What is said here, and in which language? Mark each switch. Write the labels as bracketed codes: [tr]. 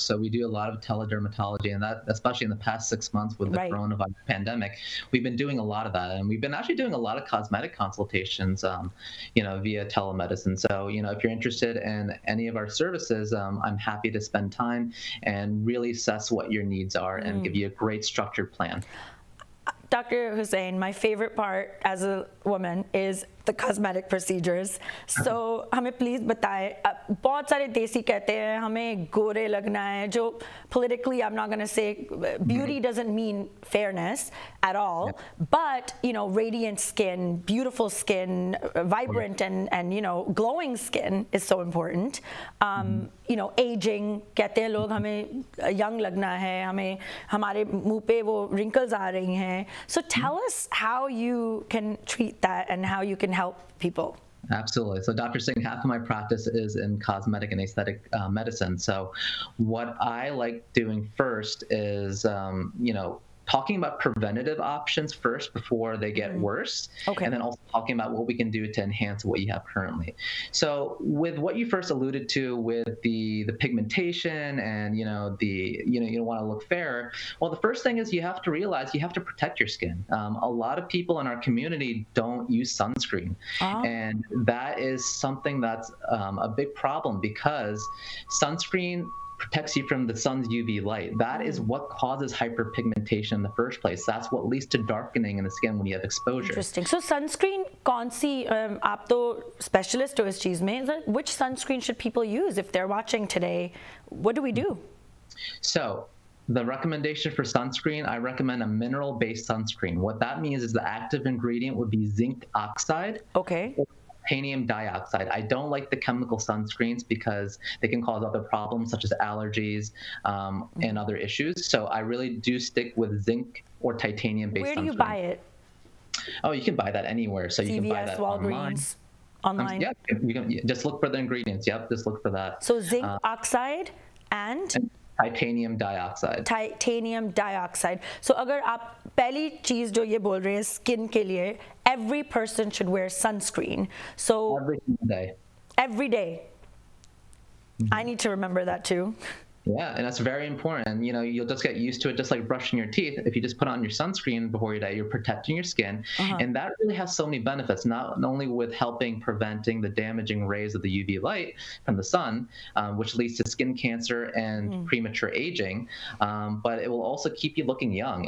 [en] So we do a lot of teledermatology, and that especially in the past 6 months with the coronavirus pandemic, we've been doing a lot of that, and we've been actually doing a lot of cosmetic consultations, you know, via telemedicine. So, you know, if you're interested in any of our services, I'm happy to spend time and really assess what your needs are and give you a great structured plan. Dr. Husain, my favorite part as a woman is the cosmetic procedures. [hi] सो, हमे please बताएं. बहुत सारे देसी कहते हैं, हमे गोरे लगना है. [en] Jo politically, I'm not gonna say beauty doesn't mean fairness at all. But you know, radiant skin, beautiful skin, vibrant and you know, glowing skin is so important. You know, [hi] ageing कहते हैं लोग, हमे young लगना है. हमे हमारे मुँह पे वो रिंकल्स आ रही हैं. [en] So tell us how you can treat that and how you can help people. Absolutely. So Dr. Singh, half of my practice is in cosmetic and aesthetic medicine. So what I like doing first is, you know, talking about preventative options first before they get worse. Okay. And then also talking about what we can do to enhance what you have currently. So with what you first alluded to with the pigmentation and, you know, the, you know, you want to look fairer. Well, the first thing is you have to realize you have to protect your skin. A lot of people in our community don't use sunscreen. And that is something that's a big problem because sunscreen protects you from the sun's UV light. That is what causes hyperpigmentation in the first place. That's what leads to darkening in the skin when you have exposure. Interesting. [hi] So sunscreen, कौन सी, आप तो specialist हो इस चीज़ में, [en] which sunscreen should people use if they're watching today? What do we do? So the recommendation for sunscreen, I recommend a mineral-based sunscreen. What that means is the active ingredient would be zinc oxide. Okay. Titanium dioxide. I don't like the chemical sunscreens because they can cause other problems such as allergies and other issues. So I really do stick with zinc or titanium based sunscreens. Where do you buy it? Oh, you can buy that anywhere. So CVS, you can buy that Walgreens, online. Just look for the ingredients. Yep, just look for that. So zinc oxide and titanium dioxide. Titanium dioxide. [hi] सो अगर आप पहली चीज़ जो ये बोल रहे हैं skin के लिए, [en] every person should wear sunscreen. So every day. Every day. I need to remember that too. Yeah, and that's very important. You know, you'll just get used to it, just like brushing your teeth. If you just put on your sunscreen before your day, you're protecting your skin. Uh-huh. And that really has so many benefits, not only with helping preventing the damaging rays of the UV light from the sun, which leads to skin cancer and premature aging, but it will also keep you looking young.